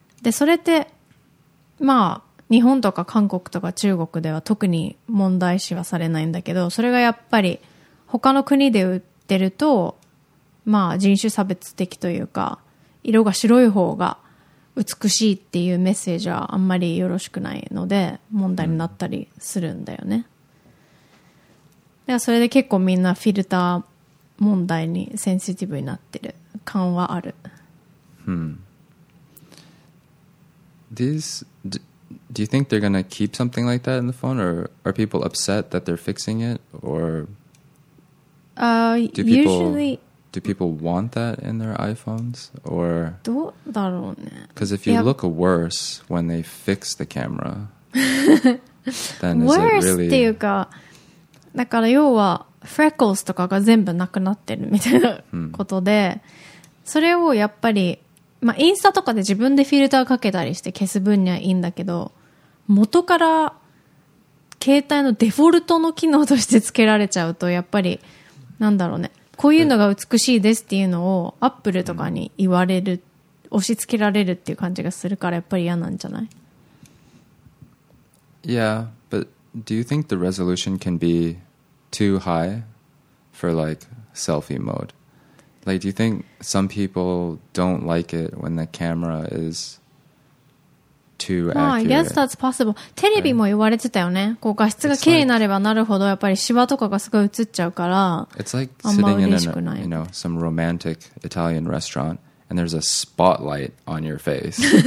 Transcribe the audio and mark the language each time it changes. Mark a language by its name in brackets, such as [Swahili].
[Japanese] でそれってまあ日本とか韓国とか中国では特に問題視はされないんだけど、それがやっぱり他の国で売ってるとまあ人種差別的というか、色が白い方が美しいっていうメッセージはあんまりよろしくないので問題になったりするんだよね、うん、それで結構みんなフィルター問題にセンシティブになってる感はある。 Hmm. [English] Do you think they're gonna keep something like that in the phone, or are people upset that they're fixing it, or do people want that in their iPhones, or [Japanese] どうだろうね。 [English] Because if you look worse when they fix the camera, then is worse it really [Japanese] っていうか。だから要はフレックスとかが全部なくなってるみたいなことで、うん、それをやっぱり、まあ、インスタとかで自分でフィルターかけたりして消す分にはいいんだけど、元から携帯のデフォルトの機能としてつけられちゃうと、やっぱりなんだろうね、こういうのが美しいですっていうのをアップルとかに言われる、うん、押し付けられるっていう感じがするから、やっぱり嫌なんじゃない。 [English] Yeah. Do you think the resolution can be too high for like selfie mode? Like, do you think some people don't like it when the camera is too accurate? Well, yes, that's possible. [Japanese] テレビも言われてたよね。こう画質が綺麗になればなるほどやっぱりシワとかがすごい映っちゃうから、 [English] It's like sitting in some romantic Italian restaurant and there's a spotlight on your face.